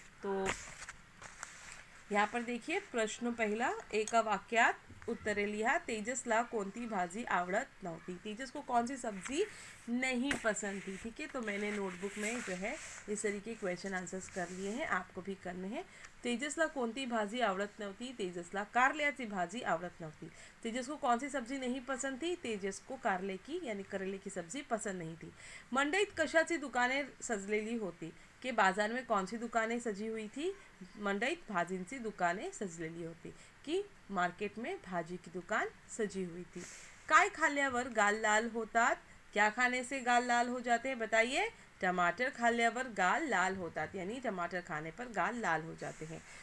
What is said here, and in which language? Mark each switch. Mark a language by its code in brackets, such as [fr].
[mr] तो यहाँ पर देखिए, प्रश्न पहला, एका वाक्यात उत्तरे लिहा, तेजस ला कोणती भाजी आवडत नव्हती, [hi] तेजस को कौन सी सब्जी नहीं पसंद थी। ठीक है, तो मैंने नोटबुक में जो है इस तरीके क्वेश्चन आंसर्स कर लिए हैं, आपको भी करने हैं। [mr] तेजसला कोणती भाजी आवडत नव्हती, [hi] तेजसला कारल्याची भाजी आवडत नव्हती, तेजस को कौन सी सब्जी नहीं पसंद थी, तेजस को कारले की यानी करेले की सब्जी पसंद नहीं थी। [mr] मंडईत कशाची दुकाने सजलेली होती, [hi] के बाजार में कौन सी दुकानें सजी हुई थी, [mr] मंडईत भाजींची दुकानें सजलेली होती, [hi] कि मार्केट में भाजी की दुकान सजी हुई थी। [mr] काय खाल्यावर गाल लाल होतात, [hi] क्या खाने से गाल लाल हो जाते हैं बताइए, [mr] टमाटर खाल्यावर गाल लाल होतात, [hi] यानी टमाटर खाने पर गाल लाल हो जाते हैं।